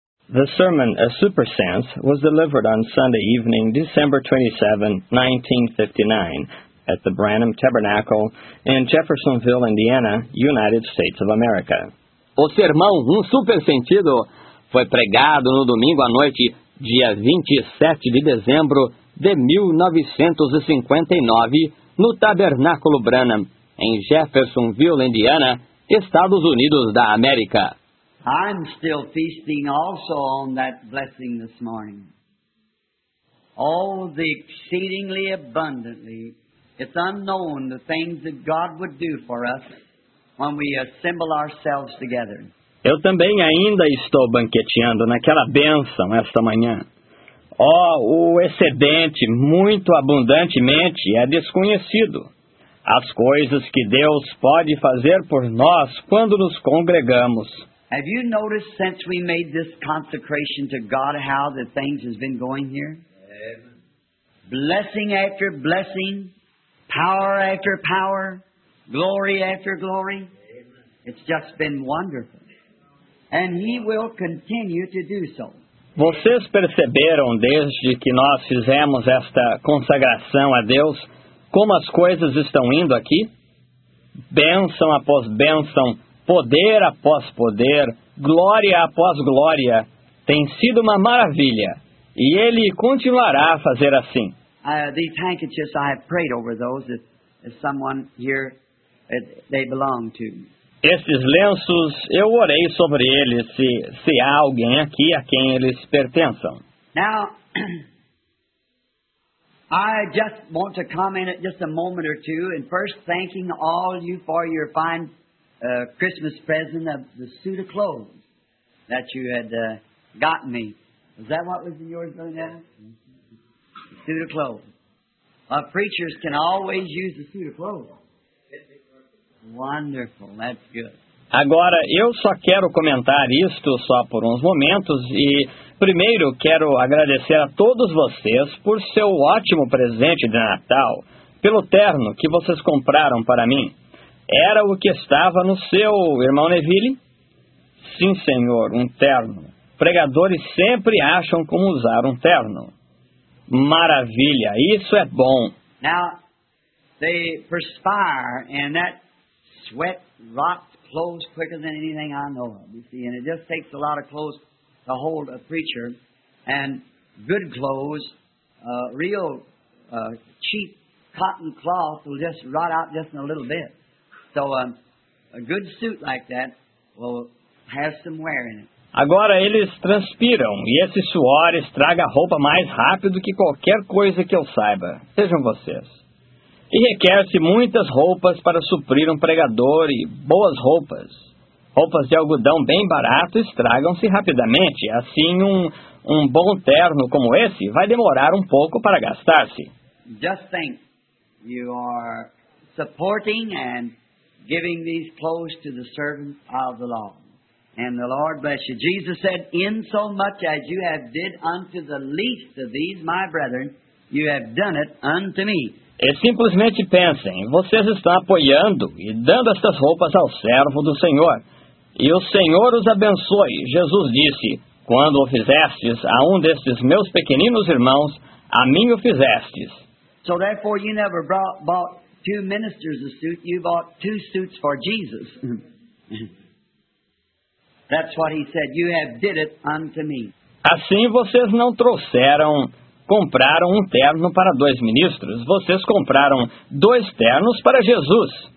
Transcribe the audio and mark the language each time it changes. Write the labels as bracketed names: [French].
[English] The sermon, A Super Sense, was delivered on Sunday evening, December 27, 1959, at the Branham Tabernacle in Jeffersonville, Indiana, United States of America. [Portuguese] O sermão, Um Super Sentido, foi pregado no domingo à noite, dia 27 de dezembro de 1959, no Tabernáculo Branham, em Jeffersonville, Indiana, Estados Unidos da América. [English] I'm still feasting also on that blessing this morning. Oh, the exceedingly abundantly, it's unknown the things that God would do for us when we assemble ourselves together. [Portuguese] Eu também ainda estou banqueteando naquela bênção esta manhã. Oh, o excedente, muito abundantemente, é desconhecido. As coisas que Deus pode fazer por nós quando nos congregamos. [English] Have you noticed since we made this consecration to God how the things have been going here? Blessing after blessing, power after power, glory after glory. It's just been wonderful. And He will continue to do so. [Portuguese] Vocês perceberam desde que nós fizemos esta consagração a Deus como as coisas estão indo aqui? Bênção após bênção. Poder após poder, glória após glória, tem sido uma maravilha. E Ele continuará a fazer assim. [English] These handkerchiefs, I have prayed over those if someone here they belong to. [Portuguese] Estes lenços, eu orei sobre eles, se há alguém aqui a quem eles pertençam. [English] Now, I just want to comment just a moment or two, and first thanking all you for your fine Christmas present of the suit of clothes that you had gotten me. Is that what was in yours, Linda? The suit of clothes. Preachers can always use the suit of clothes. Wonderful, that's good. [Portuguese] Agora, eu só quero comentar isto só por uns momentos e, primeiro, quero agradecer a todos vocês por seu ótimo presente de Natal, pelo terno que vocês compraram para mim. Era o que estava no seu, irmão Neville? Sim, senhor, um terno. Pregadores sempre acham como usar um terno. Maravilha, isso é bom. [English] Now, they perspire, and that sweat rots clothes quicker than anything I know of, you see. And it just takes a lot of clothes to hold a preacher. And good clothes, real cheap cotton cloth will just rot out just in a little bit. So, a good suit like that will have some wear in it. [Portuguese] Agora eles transpiram, e esse suor estraga a roupa mais rápido que qualquer coisa que eu saiba. Sejam vocês. E requer-se muitas roupas para suprir um pregador e boas roupas. Roupas de algodão bem barato estragam-se rapidamente. Assim, um bom terno como esse vai demorar um pouco para gastar-se. [English] Just think, you are supporting and giving these clothes to the servant of the Lord. And the Lord bless you. Jesus said, in so much as you have did unto the least of these, my brethren, you have done it unto me. [Portuguese] E simplesmente pensem, vocês estão apoiando e dando estas roupas ao servo do Senhor. E o Senhor os abençoe. Jesus disse, quando o fizestes a um destes meus pequeninos irmãos, a mim o fizestes. [English] So therefore you never bought two ministers a suit, you bought two suits for Jesus. That's what he said, you have did it unto me. [Portuguese] Assim vocês não trouxeram, compraram um terno para dois ministros, vocês compraram dois ternos para Jesus.